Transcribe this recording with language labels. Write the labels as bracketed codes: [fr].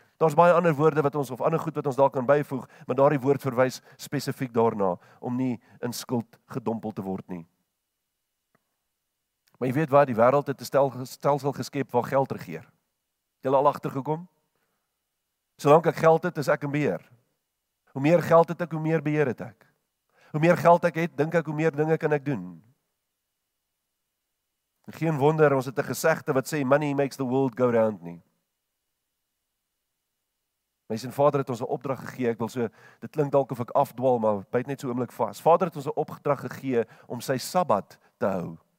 [af] Daar's baie ander woorde wat ons of ander goed wat ons daar kan byvoeg, maar daardie woord verwys spesifiek daarna om nie in skuld gedompel te word nie. Maar jy weet waar die wêreld het 'n stelsel geskep waar geld regeer. Het jy al agtergekom? Solank ek geld het, is ek in beheer. Hoe meer geld het ek, hoe meer beheer het ek. Hoe meer geld ek het, dink ek hoe meer dinge kan ek doen. Geen wonder ons het 'n gesegde wat sê [en] money makes the world go round [af] nie. Mense en Vader het ons 'n opdrag gegee. Ek wil so dit klink dalk of ek afdwaal, maar byt net so oomblik vas. Vader het ons 'n opdrag gegee om sy Sabbat te hou.